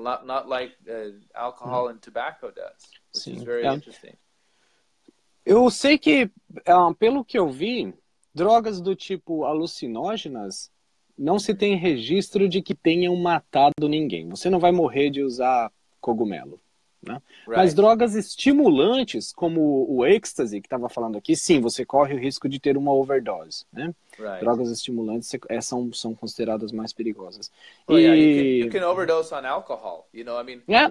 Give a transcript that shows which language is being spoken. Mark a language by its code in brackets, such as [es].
[en] Not like alcohol and tobacco does, which is very interesting. [pt] Eu sei que, pelo que eu vi, drogas do tipo alucinógenas não se tem registro de que tenham matado ninguém. Você não vai morrer de usar cogumelo, né? [en] Right. [pt] Mas drogas estimulantes, como o êxtase, que estava falando aqui, sim, você corre o risco de ter uma overdose, né? [en] Right. [pt] Drogas estimulantes são consideradas mais perigosas. [en] You can overdose on alcohol, you know? I mean,